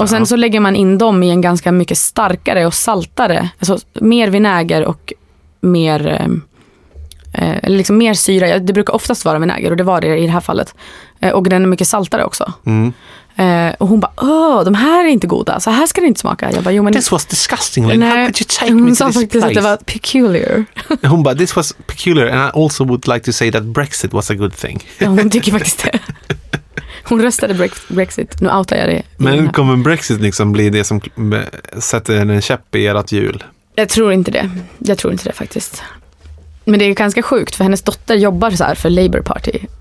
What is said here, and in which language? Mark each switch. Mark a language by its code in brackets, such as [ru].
[sv] Och sen så lägger man in dem i en ganska mycket starkare och saltare. Alltså mer vinäger och mer... liksom mer syra, det brukar oftast vara vinäger och det var det i det här fallet, och den är mycket saltare också. Och hon bara, de här är inte goda, så här ska det inte smaka. Jag bara, jo, men [en] this was disgusting, like, how could you take me to this place? [sv] Att det var peculiar. Hon bara, [en] this was peculiar and I also would like to say that Brexit was a good thing. [sv] Ja, hon tycker faktiskt det. Hon röstade Brexit, nu outar jag det. Men kommer Brexit liksom bli det som sätter en käpp i ert hjul? Jag tror inte det faktiskt. Men det är ganska sjukt, för hennes dotter jobbar så här för Labour Party.